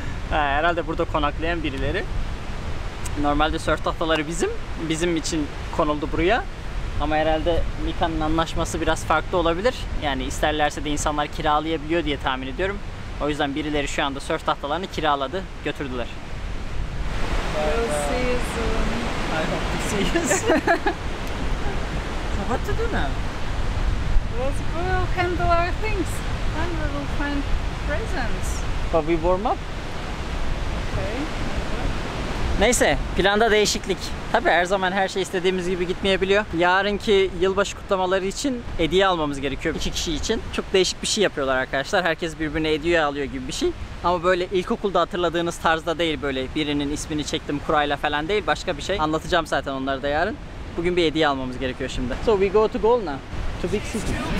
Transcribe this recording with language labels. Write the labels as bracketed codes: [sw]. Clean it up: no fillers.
[tr] Herhalde burada konaklayan birileri. Normalde sörf tahtaları bizim için konuldu buraya. Ama herhalde Mika'nın anlaşması biraz farklı olabilir. Yani isterlerse de insanlar kiralayabiliyor diye tahmin ediyorum. O yüzden birileri şu anda sörf tahtalarını kiraladı, götürdüler. [en] We'll see you soon. I hope to see you soon. So what to do now? We'll handle our things. And we will find presents. But we warm up. Okay. [tr] Neyse, planda değişiklik. Tabii her zaman her şey istediğimiz gibi gitmeyebiliyor. Yarınki yılbaşı kutlamaları için hediye almamız gerekiyor iki kişi için. Çok değişik bir şey yapıyorlar arkadaşlar. Herkes birbirine hediye alıyor gibi bir şey. Ama böyle ilkokulda hatırladığınız tarzda değil, böyle birinin ismini çektim kurayla falan değil. Başka bir şey. Anlatacağım zaten onları da yarın. Bugün bir hediye almamız gerekiyor şimdi. [en] So we go to Golna, to Big City.